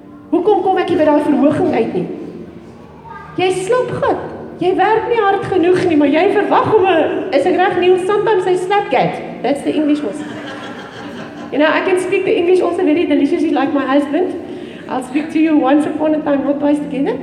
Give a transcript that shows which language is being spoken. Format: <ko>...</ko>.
<af>Hoekom kom ek nie by daai verhoging uit nie? Jy slap gat. Jy werk nie hard genoeg nie, maar jy verwag om 'n is ek reg nie,</af> <en>sometimes I snap get. That's the English word. You know, I can speak the English also very deliciously like my husband. I'll speak to you once upon a time, not twice together.</en>